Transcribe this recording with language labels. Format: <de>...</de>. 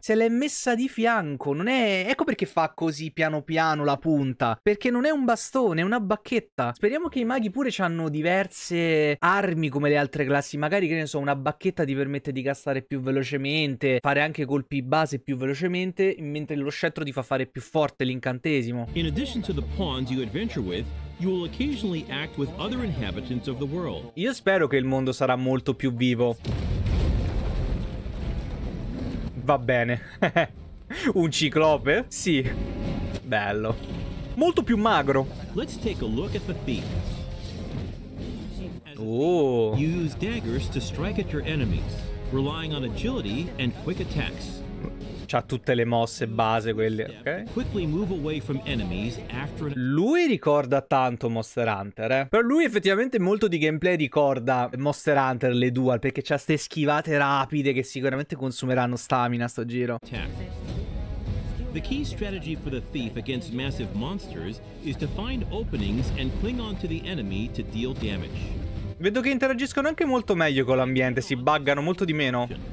<it>Se l'è messa di fianco, non è... Ecco perché fa così piano piano la punta. Perché non è un bastone, è una bacchetta. Speriamo che i maghi pure c'hanno diverse armi come le altre classi. Magari, che ne so, una bacchetta ti permette di castare più velocemente, fare anche colpi base più velocemente, mentre lo scettro ti fa fare più forte l'incantesimo.</it> <en>In addition to the pawns you adventure with, you will occasionally act with other inhabitants of the world.</en> <it>Io spero che il mondo sarà molto più vivo. Va bene. Un ciclope? Sì. Bello. Molto più magro.</it> <en>Let's take a look at the thief. Oh. You use daggers to strike at your enemies, relying on agility and quick attacks.</en> <it>C'ha tutte le mosse base quelle, ok?</it> <en>Quickly move away from enemies after...</en> <it>Lui ricorda tanto Monster Hunter, eh? Però lui effettivamente molto di gameplay ricorda Monster Hunter, le dual, perché c'ha ste schivate rapide che sicuramente consumeranno stamina a sto giro.</it> <en>The key strategy for the thief against massive monsters is to find openings and cling on to the enemy to deal damage.</en> <it>Vedo che interagiscono anche molto meglio con l'ambiente, si buggano molto di meno.</it>